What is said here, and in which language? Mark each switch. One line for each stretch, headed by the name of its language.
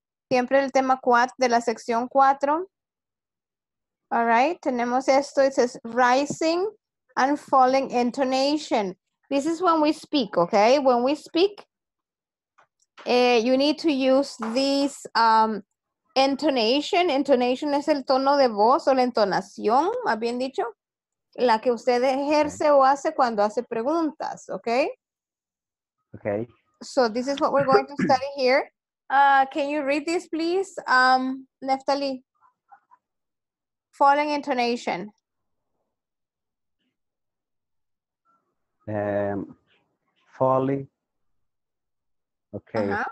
Spanish: Siempre el tema 4 de la sección 4.
English: All right,
Spanish: tenemos esto.
English: It says rising and falling intonation. This is when we speak, okay? When we speak, you need to use this intonation.
Spanish: Intonation es el tono de voz o la entonación, más bien dicho, la que usted ejerce o hace cuando hace preguntas, okay? Okay.
English: So this is what we're going to study here. Can you read this, please, Neftali? Falling intonation. Falling. Okay. Uh-huh.